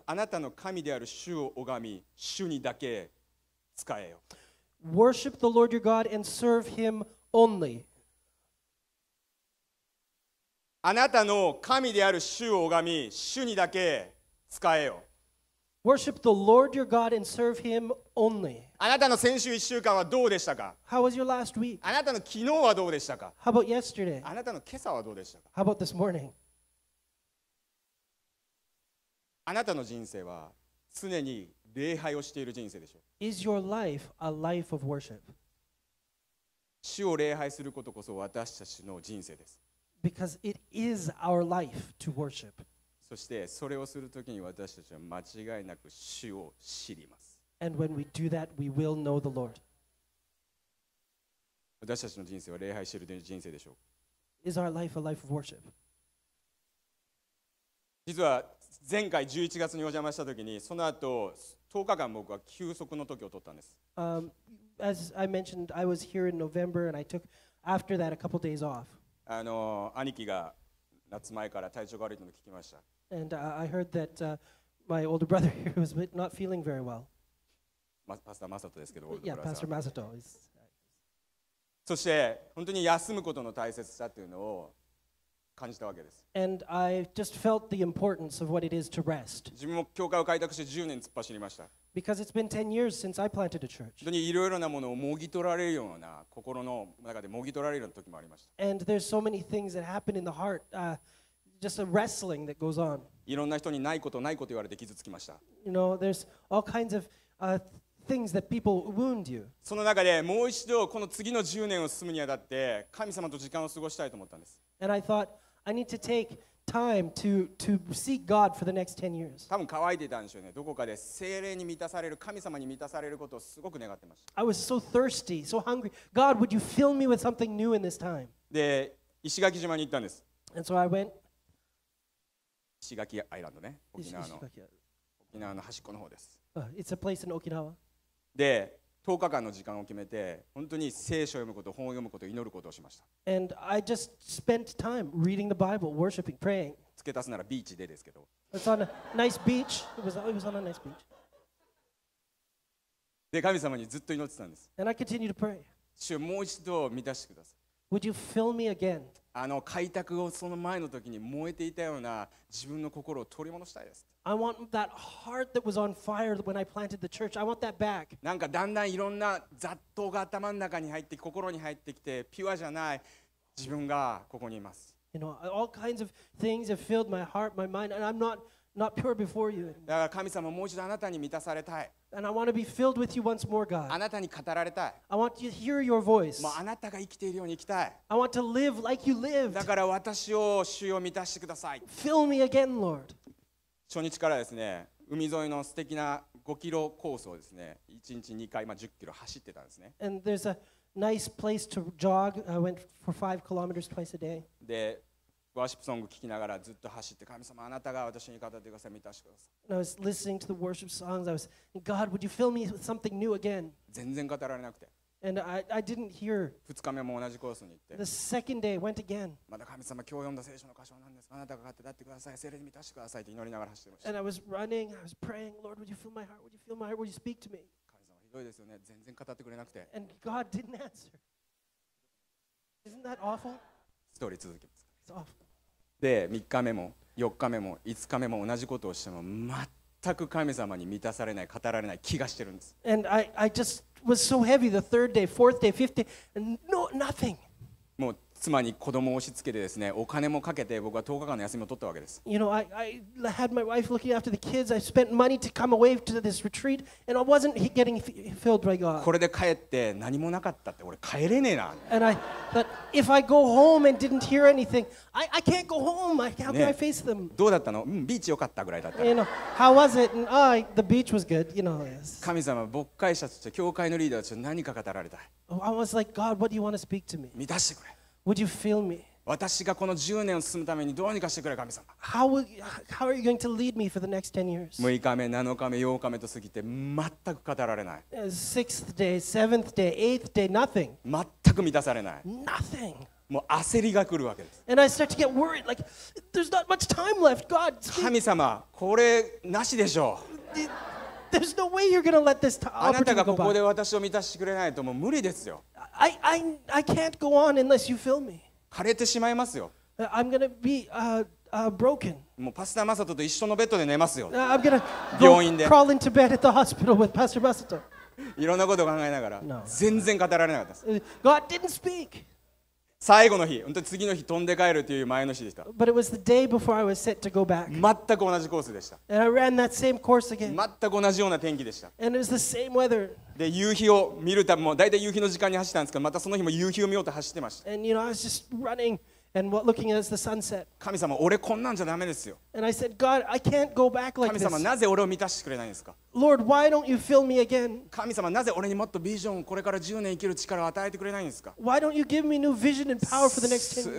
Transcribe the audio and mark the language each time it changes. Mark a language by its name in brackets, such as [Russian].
[Japanese] あなたの神である主を拝み、主にだけ仕えよ。 [English] Worship the Lord your God and serve him only. [Japanese] あなたの神である主を拝み、主にだけ仕えよ。 [English] Worship the Lord your God and serve him only. [Japanese] あなたの先週1週間はどうでしたか [English] ？How was your last week? [Japanese] あなたの昨日はどうでしたか [English] ？How about yesterday? [Japanese] あなたの今朝はどうでしたか [English] ？How about this morning? [Japanese] あなたの人生は常に礼拝をしている人生でしょう。 [English] Is your life a life of worship? [Japanese] 主を礼拝することこそ私たちの人生です。 [English] Because it is our life to worship. [Japanese] そしてそれをするときに私たちは間違いなく主を知ります。 [English] And when we do that, we will know the Lord. [Japanese] 私たちの人生は礼拝している人生でしょう。 [English] Is our life a life of worship? [Japanese] 実は前回11月にお邪魔したときにその後10日間僕は休息の時を取ったんです。 [English] As I mentioned, I was here in November and I took after that a couple days off. [Japanese] 兄貴が夏前から体調が悪いのを聞きました。 [English] And I heard that my older brother here was not feeling very well. [Japanese] パスタマサトですけど、 [English] Yeah, Pastor Masato is. [Japanese] そして本当に休むことの大切さというのを感じたわけです。 [English] And I just felt the importance of what it is to rest. [Japanese] 自分も教会を開拓して10年突っ走りました。 [English] Because it's been 10 years since I planted a church. [Japanese] 本当にいろいろなものをもぎ取られるような心の中でもぎ取られる時もありました。 [English] And there's so many things that happen in the heart, just a wrestling that goes on. [Japanese] いろんな人にないことないこと言われて傷つきました。 [English] You know, there's all kinds of things that people wound you. [Japanese] その中でもう一度この次の10年を進むにあたって神様と時間を過ごしたいと思ったんです。 [English] And I thought I need to take time to seek God for the next 10 years. [Japanese] 多分乾いていたんでしょうね。どこかで聖霊に満たされる、神様に満たされることをすごく願ってました。 [English] I was so thirsty, so hungry. God, would you fill me with something new in this time? [Japanese] で、石垣島に行ったんです。 [English] And so I went. [Japanese] 石垣アイランドね。沖縄の端っこの方です。 [English] It's a place in Okinawa. [Japanese] で、10日間の時間を決めて、本当に聖書を読むこと、本を読むこと、祈ることをしました。 [English] And I just spent time reading the Bible, worshiping, praying. [Japanese] 付け足すならビーチでですけど。 [English] It's on a nice beach. It was on a nice beach. [Japanese] で、神様にずっと祈ってたんです。 [English] And I continue to pray. [Japanese] 主をもう一度満たしてください。 [English] Would you fill me again? [Japanese] 開拓をその前の時に燃えていたような自分の心を取り戻したいです。 [English] I want that heart that was on fire when I planted the church. I want that back. [Japanese] なんかだんだんいろんな雑踏が頭の中に入って心に入ってきてピュアじゃない自分がここにいます。 [English] You know, all kinds of things have filled my heart, my mind, and I'm not pure before you. [Japanese] だから神様もう一度あなたに満たされたい。 [English] And I want to be filled with you once more, God. [Japanese] あなたに語られたい。 [English] I want to hear your voice. [Japanese] もうあなたが生きているように生きたい。 [English] I want to live like you lived. [Japanese] だから私を主よ満たしてください。 [English] Fill me again, Lord. [Japanese] 初日からですね、海沿いの素敵な5キロコースをですね、1日2回、まあ、10キロ走ってたんですね。 [English] And there's a nice place to jog. I went for 5 kilometers twice a day. [Japanese] で、ワーシップソング聴きながらずっと走って、神様あなたが私に語ってください、満たしてください。 [English] And I was listening to the worship songs. I was, God, would you fill me with something new again? [Japanese] 全然語られなくて。 [English] And I didn't hear. [Japanese] 2日目も同じコースに行って。 [English] The second day went again. [Japanese] まだ神様今日読んだ聖書の箇所なんです。あなたが語ってください、聖霊に満たしてくださいって祈りながら走ってました。 [English] And I was running. I was praying. Lord, would you fill my heart? Would you fill my heart? Would you speak to me? [Japanese] 神様ひどいですよね。全然語ってくれなくて。 [English] And God didn't answer. Isn't that awful? [Japanese] ストーリー続きます。 [English] It's awful. [Japanese] で、3日目も4日目も5日目も同じことをしても全く神様に満たされない、語られない気がしてるんです。 [English] And I just was so heavy the third day, fourth day, fifth day, and nothing. [Japanese] もう妻に子供を押し付けてですね、お金もかけて僕は10日間の休みを取ったわけです。 [English] You know, I had my wife looking after the kids. I spent money to come away to this retreat, and I wasn't getting filled by God. [Japanese] これで帰って何もなかったって、俺帰れねえな。 [English] And I thought, if I go home and didn't hear anything,I can't go home. How can I face them? [Japanese] どうだったの？うん、ビーチ良かったぐらいだった。 [English] You know, how was it? And, oh, the beach was good. You know, yes. [Japanese] 神様、牧会者として教会のリーダーとして何か語られたい。 [English] I was like, God, what do you want to speak to me? [Japanese] 満たしてくれ。 [English] Would you fill me? [Japanese] 私がこの10年を進むためにどうにかしてくれ、神様。 [English] How are you going to lead me for the next 10 years? [Japanese] 6日目、7日目、8日目と過ぎて全く語られない。 [English] 6th day, 7th day, 8th day, nothing. [Japanese] 全く満たされない。 [English] Nothing. [Japanese] もう焦りが来るわけです。 [English] And I start to get worried, like, there's not much time left, God. [Japanese] 神様、これなしでしょう。 [English] There's no way you're gonna let this opportunity go by. [Japanese] あなたがここで私を満たしてくれないともう無理ですよ。 [English] I can't go on unless you fill me. [Japanese] 枯れてしまいますよ。 [English] I'm gonna be broken. [Japanese] もうパスタマサトと一緒のベッドで寝ますよ。 [English] I'm gonna go crawl into bed at the hospital with Pastor Masato. [Japanese] いろんなことを考えながら、全然語られなかったです。 [English] God didn't speak. [Japanese] 最後の日、本当に次の日飛んで帰るという前の日でした。 [English] But it was the day before I was set to go back. [Japanese] 全く同じコースでした。 [English] And I ran that same course again. [Japanese] 全く同じような天気でした。 [English] And it was the same weather. [Japanese] で、夕日を見るため、もう大体夕日の時間に走ったんですけど、またその日も夕日を見ようと走ってました。 [English] And you know, I was just running and looking at the sunset. [Japanese] 神様、俺こんなんじゃダメですよ。 [English] And I said, God, I can't go back like this. [Japanese] 神様、なぜ俺を満たしてくれないんですか。 [English] Lord, why don't you fill me again? [Japanese] 神様、なぜ俺にもっとビジョン、これから10年生きる力を与えてくれないんですか。 [English] Why don't you give me new vision and power for the next 10 years?